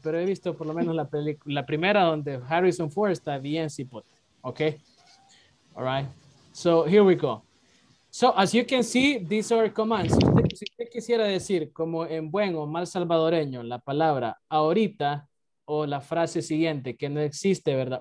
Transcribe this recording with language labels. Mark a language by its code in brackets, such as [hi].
[es] Pero he visto por lo menos la película, la primera donde Harrison Ford está bien cipote. [en] Ok. All right. So, here we go. So, as you can see, these are commands. [es] Si usted quisiera decir, como en buen o mal salvadoreño, la palabra ahorita, o la frase siguiente que no existe, ¿verdad?